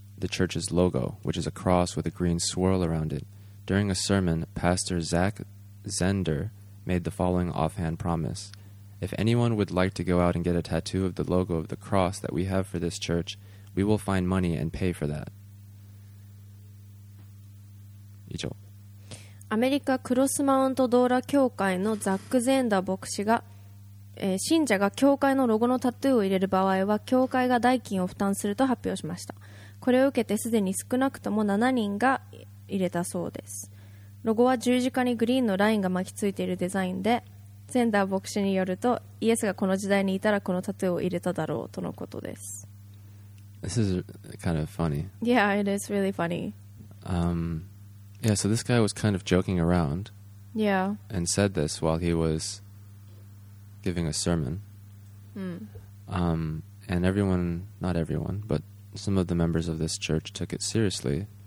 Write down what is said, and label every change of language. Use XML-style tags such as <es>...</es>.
<en>the church's logo, which is a cross with a green swirl around it. During a sermon, Pastor Zach Zender made the following offhand promise. If anyone would like to go out and get a tattoo of the logo of the cross that we have for this church, we will find money and pay for that.</en> <ja>以上。アメリカクロスマウントドーラ教会のザック・ゼンダー牧師が、信者が教会のロゴのタトゥーを入れる場合は教会が代金を負担すると発表しました。これを受けてすでに少なくとも7人が入れたそうです。ロゴは十字架にグリーンのラインが巻きついているデザインで、ゼンダー牧師によるとイエスがこの時代にいたらこのタトゥーを入れただろうとのことです。</ja> <en>This is kind of funny. Yeah, it is really funny. Yeah, so this guy was kind of joking around. Yeah. And said this while he was giving a sermon. And everyone, not everyone, but some of the members of this church took it seriously.</en>